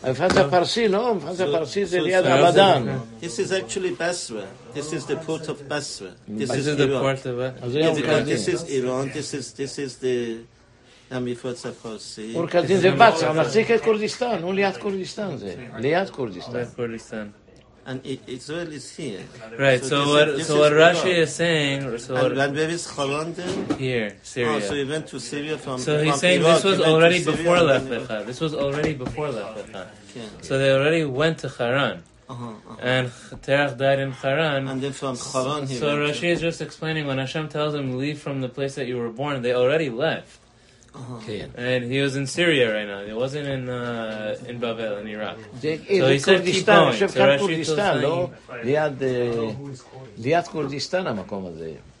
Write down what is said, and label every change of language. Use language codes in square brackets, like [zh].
[he] המפרט הפרסי, לא, המפרט הפרסי זה ליד רמדאן. [en] This is actually Basra. This is the port of Basra. This is the port of Basra. This is Iran. This is the [he] המפרט הפרסי. אור כזדים זה בצר, נחזיק את קורדיסטן. הוא ליד קורדיסטן זה. ליד קורדיסטן. [en] And Israel is here. Right, so what Rashi is saying... And where is Haran then? Here, Syria. Oh, so he went to Syria from... So he's saying this was already before Lech Lecha. This was already before Lech Lecha. So they already went to Haran. And Terach died in Haran. And then from Haran he went to... So Rashi is just explaining, when Hashem tells him, leave from the place that you were born, they already left. And he was in Syria right now. He wasn't in in Babel, in Iraq. So he said, keep going. So Rashi told [he] him, ליד קורדיסטן המקום הזה.